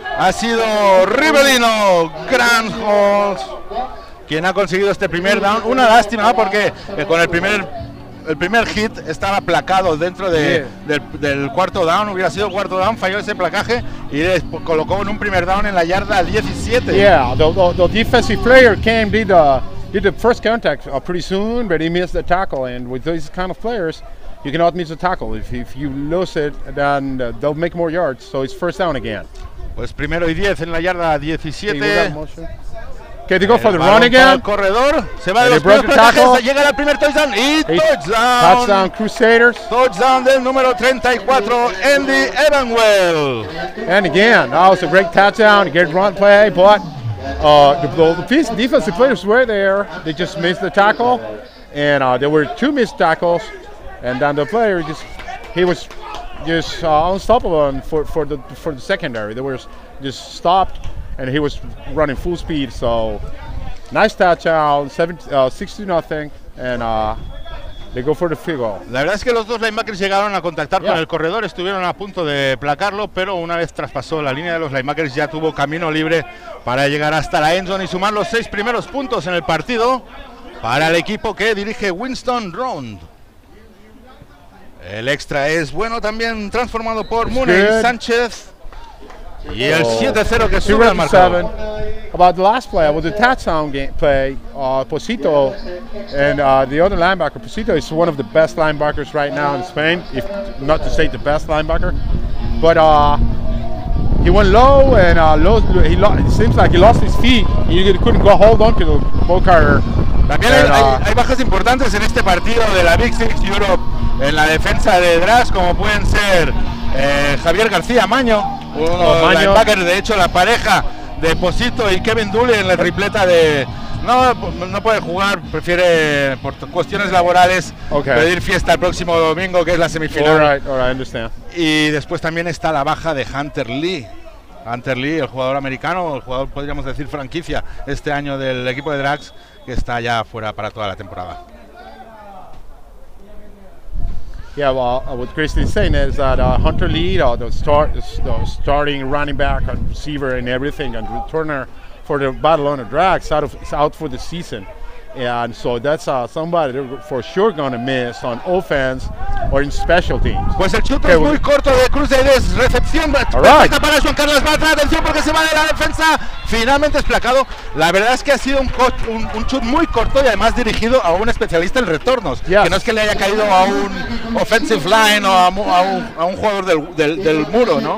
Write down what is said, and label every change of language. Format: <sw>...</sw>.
<es>Ha sido Rivelino Granholz quien ha conseguido este primer down. Una lástima, porque con el primer hit estaba placado dentro del cuarto down. Hubiera sido el cuarto down, falló ese placaje y colocó en un primer down en la yarda 17.</es> <en>Yeah, the defensive player came, did the first contact pretty soon, but he missed the tackle, and with these kind of players, you cannot miss a tackle. If you lose it, then they'll make more yards. So it's first down again.</en> <es>Pues primero y 10 en la yarda 17.</es> <en>Okay, they go for the run again.</en> <es>El corredor se va de los primeros tackles. Llega el primer touchdown y touchdown.</es> <en>Touchdown Crusaders.</en> <es>Touchdown del número 34, Andy Evenwell.</es> <en>And again, that was a great touchdown. Great run play, but the defensive players were there. They just missed the tackle, and there were 2 missed tackles. And then the player was unstoppable for the secondary. They were just stopped, and he was running full speed. So nice touchdown, 60-0, and they go for the field goal.</en> <es>La verdad es que los dos linebackers llegaron a contactar con el corredor, estuvieron a punto de placarlo, pero una vez traspasó la línea de los linebackers ya tuvo camino libre para llegar hasta la end zone y sumar los 6 primeros puntos en el partido para el equipo que dirige Winston Round. El extra es bueno también, transformado por Mooney Sánchez. Y el 7-0 que sube al marcador.</es> <en>About the last play, it was a touchdown game play. Posito and the other linebacker. Posito is one of the best linebackers right now in Spain, if not to say the best linebacker. But he went low and it seems like he lost his feet. He couldn't go hold on to the ball carrier.</en> <es>También hay bajas importantes en este partido de la Big Six Europe. En la defensa de Drax, como pueden ser Javier García, Maño, linebacker, de hecho la pareja de Posito y Kevin Dulli en la tripleta de... No, no puede jugar, prefiere por cuestiones laborales pedir fiesta el próximo domingo, que es la semifinal.</es> <en>All right, I understand.</en> <es>Y después también está la baja de Hunter Lee. Hunter Lee, el jugador americano, el jugador, podríamos decir, franquicia este año del equipo de Drax, que está ya fuera para toda la temporada.</es> <en>Yeah, well, what Christy's saying is that Hunter Lee, the starting running back and receiver and everything, and returner for the Barcelona Drags, is out for the season. And so that's somebody they're for sure going to miss on offense or in special teams.</en> <es>Pues el chute es muy corto de Cruz de Des, recepción, perfecta para Juan Carlos Bartra, atención porque se va de la defensa, finalmente es placado. La verdad es que ha sido un chute muy corto y además dirigido a un especialista en retornos,</es> <en>yes.</en> <es>Que no es que le haya caído a un offensive line o a un jugador del muro, ¿no?</es>